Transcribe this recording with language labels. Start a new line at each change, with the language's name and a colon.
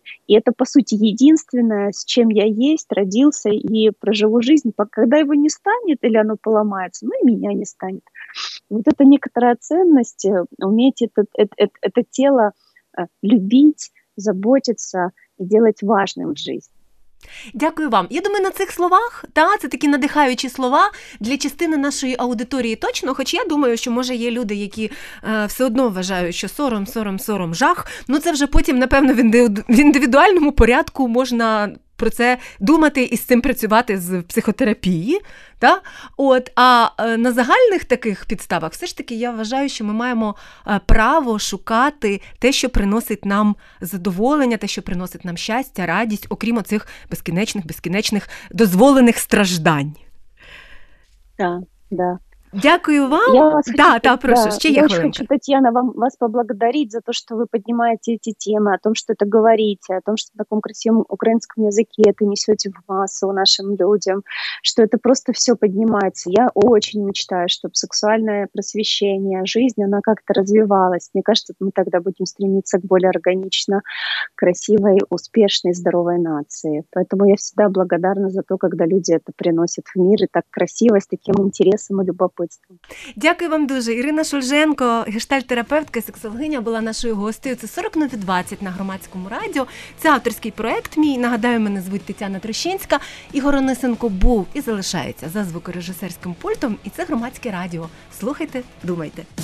Russian: И это, по сути, единственное, с чем я есть, родился и проживу жизнь. Когда его не станет или оно поломается, ну и меня не станет. Вот это некоторая ценность, уметь это тело любить, заботиться и делать важным в жизни.
Ukrainian: Дякую вам. Я думаю, на цих словах, це такі надихаючі слова для частини нашої аудиторії точно, хоч я думаю, що може є люди, які все одно вважають, що сором, жах, ну це вже потім, напевно, в індивідуальному порядку можна про це думати і з цим працювати з психотерапії. Та? От, а на загальних таких підставах все ж таки я вважаю, що ми маємо право шукати те, що приносить нам задоволення, те, що приносить нам щастя, радість, окрім оцих безкінечних дозволених страждань. Так. Дякую вам.
Russian: Я хочу, Татьяна, вас поблагодарить за то, что вы поднимаете эти темы, о том, что это говорите, о том, что в таком красивом украинском языке это несете в массу нашим людям, что это просто все поднимается. Я очень мечтаю, чтобы сексуальное просвещение, жизнь, она как-то развивалась. Мне кажется, мы тогда будем стремиться к более органично красивой, успешной, здоровой нации. Поэтому я всегда благодарна за то, когда люди это приносят в мир, и так красиво, с таким интересом и любопытством.
Ukrainian: Дякую вам дуже. Ірина Шульженко, гештальт-терапевтка і сексологиня, була нашою гостею. Це 40 нові 20 на Громадському радіо. Це авторський проект мій. Нагадаю, мене звуть Тетяна Трощинська. Ігор Онисенко був і залишається за звукорежисерським пультом. І це Громадське радіо. Слухайте, думайте.